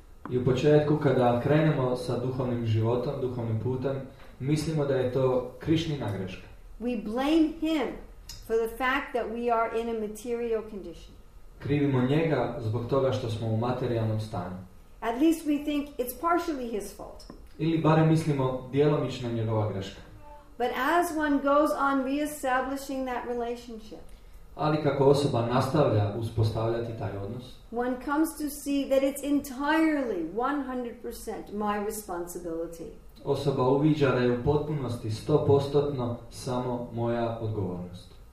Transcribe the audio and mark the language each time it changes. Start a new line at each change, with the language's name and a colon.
Croatian: I u početku kada krenemo sa duhovnim životom, duhovnim putem, mislimo da je to Krišnina greška.
English: We blame him for the fact that we are in a material condition.
Croatian: Krivimo njega zbog toga što smo u materijalnom stanju.
English: At least we think it's partially his fault.
Croatian: Ili barem mislimo djelomično njegova greška.
English: But as one goes on reestablishing that relationship,
Croatian: ali kako osoba nastavlja uspostavljati taj odnos,
English: one comes to see that it's entirely 100% my responsibility.
Croatian: Osoba uviđa da je u potpunosti 100% samo moja odgovornost.